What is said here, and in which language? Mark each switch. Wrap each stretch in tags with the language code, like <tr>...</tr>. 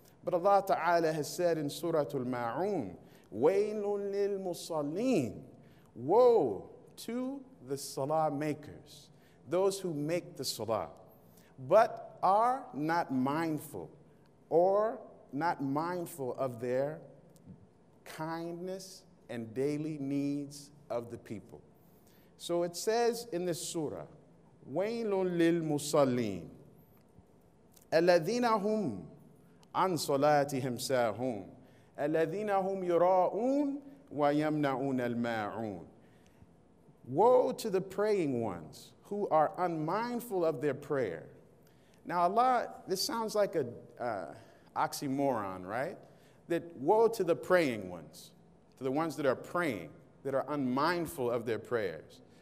<en>But Allah Ta'ala has said in Surah Al-Ma'un,</en> <ar>وَيْلٌ لِلْمُصَلِّينَ,</ar> <en>woe to the salah makers, those who make the salah, but are not mindful or not mindful of their kindness and daily needs of the people. So it says in this surah,</en> <ar>وَيْلٌ لِلْمُصَلِّينَ الَّذِينَ هُمْ عَنْ صَلَاتِهِمْ سَاهُونَ الَّذِينَ هُمْ يُرَاءُونَ وَيَمْنَعُونَ الْمَاعُونَ.</ar> <en>Woe to the praying ones who are unmindful of their prayer. Now Allah, this sounds like an oxymoron, right? That woe to the praying ones, to the ones that are praying, that are unmindful of their prayers.</en>